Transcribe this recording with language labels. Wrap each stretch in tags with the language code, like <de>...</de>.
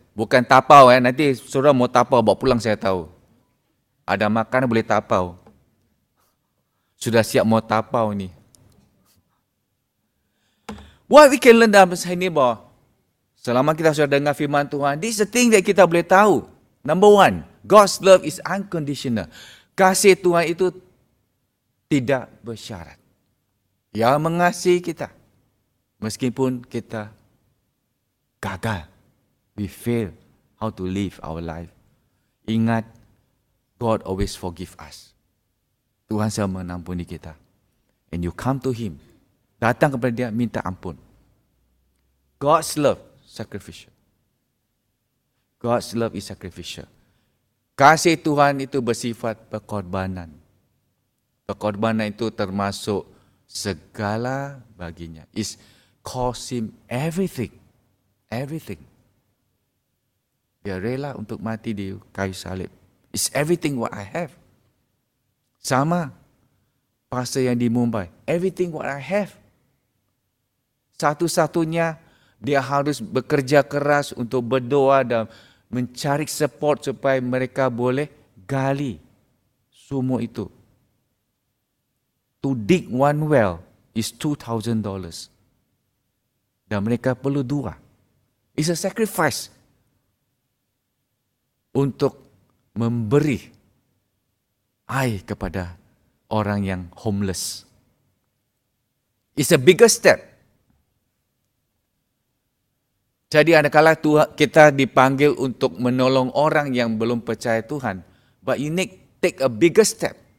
<id>Bukan tapau ya. Nanti saudara mau tapau, bawa pulang saya tahu. Ada makan boleh tapau. Sudah siap mau tapau ini.</id> <en>What we can learn</en> <id>dalam saya ini bahwa selama kita sudah dengar firman Tuhan,</id> <en>this is the thing that</en> <id>kita boleh tahu.</id> <en>Number one, God's love is unconditional.</en> <id>Kasih Tuhan itu tidak bersyarat. Yang mengasihi kita. Meskipun kita gagal,</id> <en>we fail how to live our life. Ingat, God always forgive us.</en> <id>Tuhan selalu mengampuni kita.</id> <en>And you come to Him.</en> <id>Datang kepada Dia, minta ampun.</id> <en>God's love, sacrificial. God's love is sacrificial.</en> <id>Kasih Tuhan itu bersifat pengorbanan. Pengorbanan itu termasuk segala baginya.</id> <en>It's cost him everything. Everything.</en> <id>Dia rela untuk mati di kayu salib.</id> <en>It's everything what I have.</en> <id>Sama pastor yang di Mumbai.</id> <en>Everything what I have.</en> <id>Satu-satunya dia harus bekerja keras untuk berdoa dan mencari support supaya mereka boleh gali sumur itu.</id> <en>To dig one well is $2,000.</en> <id>Dan mereka perlu dua.</id> <en>It's a sacrifice</en> <id>untuk memberi air kepada orang yang</id> <en>homeless. It's a bigger step.</en> <id>Jadi ada kala kita dipanggil untuk menolong orang yang belum percaya Tuhan.</id> <en>But you need take a bigger step.</en>